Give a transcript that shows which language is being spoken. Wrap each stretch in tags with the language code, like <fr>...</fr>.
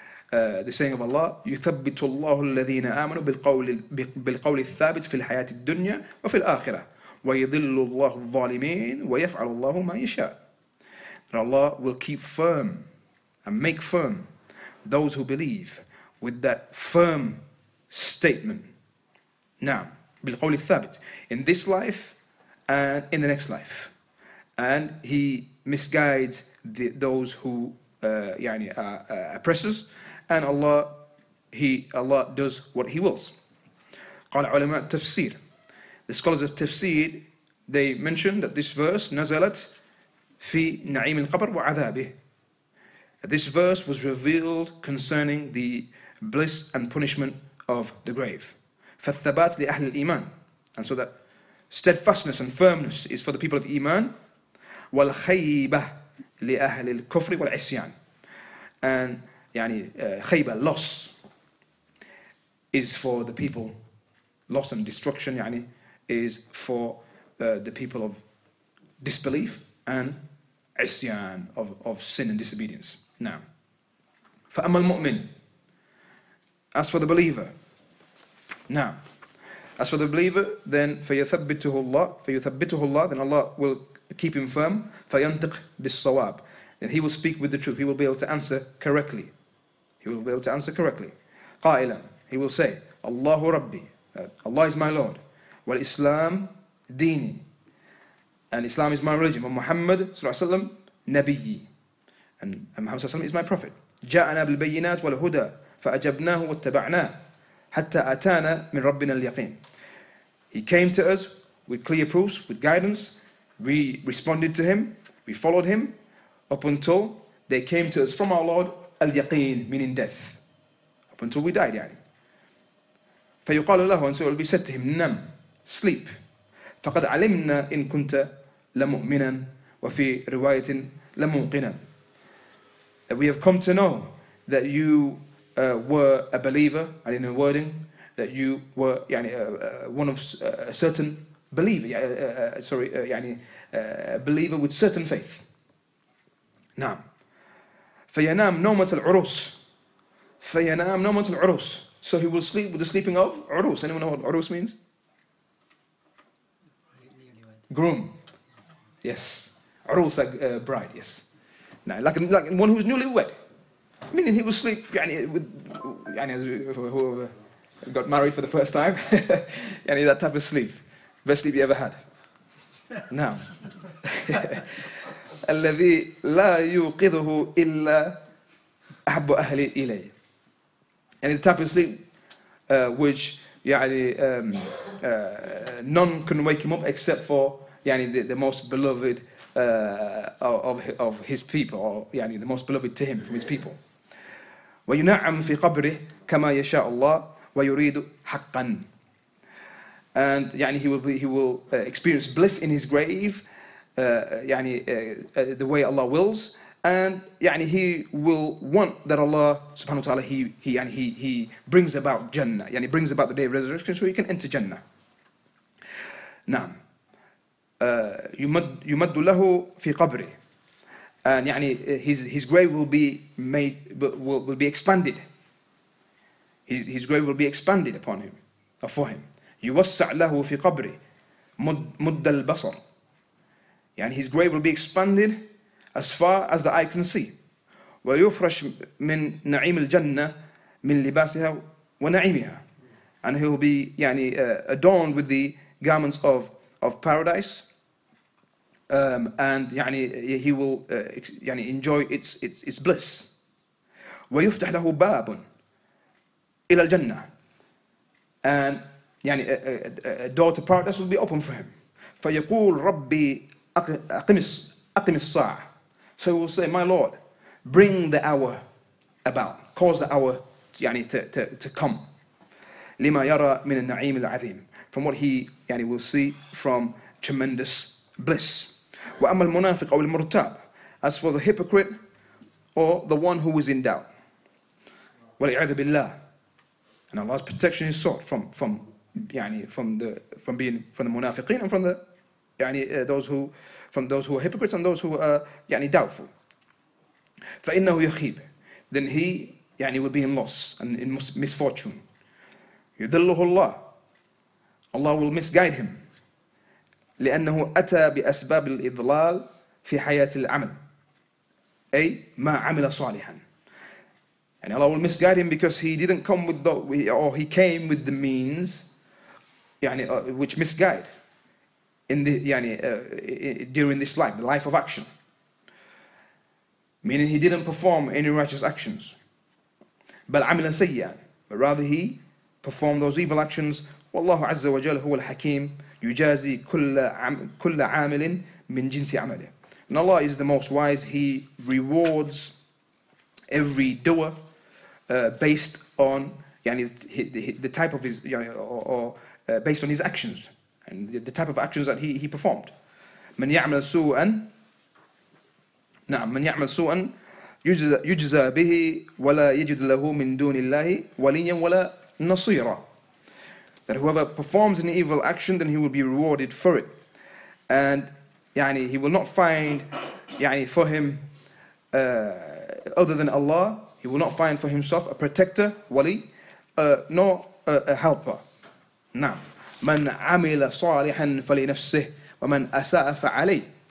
<en>The saying of Allah,</en> <ar>يثبت الله الذين آمنوا بالقول الثابت في الحياة الدنيا وفي الآخرة ويضل الله الظالمين ويفعل الله ما يشاء.</ar> <en>That Allah will keep firm and make firm those who believe with that firm statement.</en> <ar>نعم بالقول الثابت.</ar> <en>In this life and in the next life. And he misguides those who are oppressors. And Allah does what He wills.</en> <ar>قال علماء تفسير.</ar> <en>The scholars of tafsir, they mentioned that this verse</en> <ar>نزلت في نعيم القبر وعذابه.</ar> <en>This verse was revealed concerning the bliss and punishment of the grave.</en> <ar>فالثبات لأهل الإيمان.</ar> <en>And so that steadfastness and firmness is for the people of Iman.</en> <ar>والخيبة لأهل الكفر والعصيان.</ar> <en>And خيبة, loss, is for the people. Loss and destruction, is for the people of disbelief and عصيان, of sin and disobedience. Now,</en> <ar>فأما المؤمن,</ar> <en>as for the believer. Now, as for the believer, then</en> <ar>فيثبته الله,</ar> <en>then Allah will keep him firm.</en> <ar>فينطق بالصواب,</ar> <en>then he will speak with the truth. He will be able to answer correctly. He will be able to answer correctly.</en> <ar>قائلاً,</ar> <en>he will say,</en> <ar>الله ربي,</ar> <en>Allah is my Lord.</en> <ar>والإسلام ديني,</ar> <en>and Islam is my religion.</en> <ar>ومحمد صلى الله عليه وسلم نبيي,</ar> <en>and Muhammad</en> <ar>صلى الله عليه وسلم</ar> <en>is my prophet.</en> <ar>جاءنا بالبينات والهدى فأجبناه واتبعناه حتى أتانا من ربنا اليقين.</ar> <en>He came to us with clear proofs, with guidance. We responded to him, we followed him, up until they came to us from our Lord. Al-yaqeen, meaning death. Up until we died,</en> <ar>فيقال له,</ar> <en>and so it will be said to him,</en> <ar>نم,</ar> <en>sleep.</en> <ar>فقد علمنا إن كنت لمؤمنا وفي رواية لموقنا.</ar> <en>That we have come to know that you were a believer, and in a wording, that you were one of a certain believer, a believer with certain faith.</en> <ar>نعم. فَيَنَامْ نَوْمَةَ الْعُرُوسِ فَيَنَامْ نَوْمَةَ الْعُرُوسِ.</ar> <en>So he will sleep with the sleeping of عُرُوسِ. Anyone know what عُرُوسِ means? Groom. Yes. عُرُوسِ, like bride, yes. Now, like one who is newly wed. Meaning he will sleep, whoever got married for the first time. that type of sleep. Best sleep you ever had. Now.</en> <ar>الذي لا يوقظه إلا أحب أهلي إليه.</ar> <en>And the type of sleep which none can wake him up except for the most beloved of his people, or the most beloved to him from his people.</en> <ar>وينعم في قبره كما يشاء الله ويريد حقا.</ar> <en>And he will experience bliss in his grave. The way Allah wills, and he will want that Allah subhanahu wa ta'ala he brings about Jannah, brings about the day of resurrection so he can enter Jannah. Naam.</en> <ar>يمد له في قبره,</ar> <en>and his grave will be made, will be expanded. His grave will be expanded upon him, or for him.</en> <ar>يوسع له في قبره مد البصر.</ar> <en>And his grave will be expanded as far as the eye can see.</en> <ar>ويفرش من نعيم الجنة من لباسها ونعيمها.</ar> <en>And he will be adorned with the garments of paradise. He will enjoy its bliss.</en> <ar>ويفتح له باب إلى الجنة.</ar> <en>And يعني a door to paradise will be open for him.</en> <ar>فيقول ربي أقم الساعة.</ar> <en>So he will say, my Lord, bring the hour about, cause the hour يعني to come.</en> <ar>لما يرى من النعيم العظيم.</ar> <en>From what he يعني will see from tremendous bliss.</en> <ar>وأما المنافق أو المرتاب.</ar> <en>As for the hypocrite or the one who is in doubt.</en> <ar>والعياذ بالله.</ar> <en>And Allah's protection is sought from the munafiqeen and from the يعني those who are hypocrites and those who are يعني doubtful.</en> <ar>فإنه يخيب.</ar> <en>Then he يعني will be in loss and in misfortune.</en> <ar>يدله الله.</ar> <en>Allah will misguide him.</en> <ar>لأنه أتى بأسباب الإضلال في حياة العمل. أي ما عمل صالحا.</ar> <en>And Allah will misguide him because he didn't come with the means which misguide in the during this life, the life of action. Meaning he didn't perform any righteous actions.</en> <ar>بل عمل سيئا.</ar> <en>But rather he performed those evil actions.</en> <ar>والله عز وجل هو الحكيم يجازي كل عامل من جنس عمله.</ar> <en>And Allah is the most wise. He rewards every doer based on the type of his based on his actions and the type of actions that he performed.</en> <ar>من يعمل سوءا نعم من يعمل سوءا يجزى به ولا يجد له من دون الله وليا ولا نصيرا.</ar> <en>That whoever performs an evil action, then he will be rewarded for it. And يعني, he will not find يعني, for him, other than Allah, he will not find for himself a protector, wali, nor a helper.</en> <ar>نعم. من عمل صالحا فلنفسه ومن أساء فعليه.</ar>